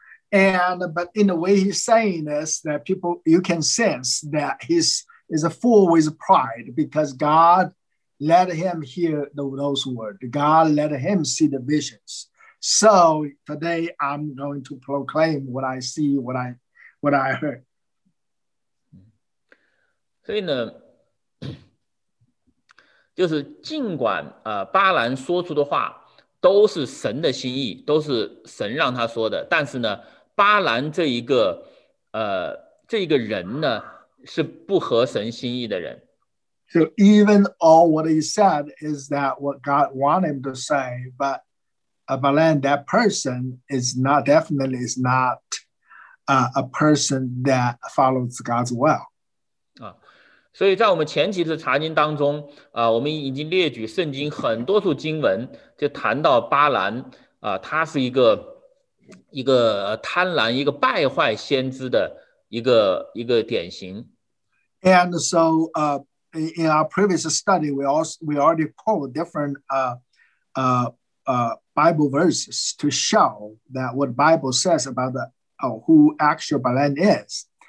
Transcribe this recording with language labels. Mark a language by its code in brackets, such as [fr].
[en] And but in the way he's saying this, that people you can sense that he's is a full with pride because God let him hear those words. God let him see the visions. So today I'm going to proclaim what I see, what I heard. [zh] 所以呢，就是尽管巴兰说出的话都是神的心意，都是神让他说的，但是呢，巴兰这一个人呢是不合神心意的人。 [en] So even all what he said is that what God wanted him to say, but. Balan, that person is not definitely is not a person that follows God's will. [zh] 啊，所以在我们前几次查经当中，我们已经列举圣经很多处经文，就谈到巴兰，他是一个贪婪、一个败坏先知的一个典型。 [en] And so, in our previous study, we already pulled different Bible verses to show that what Bible says about who actual Balan is.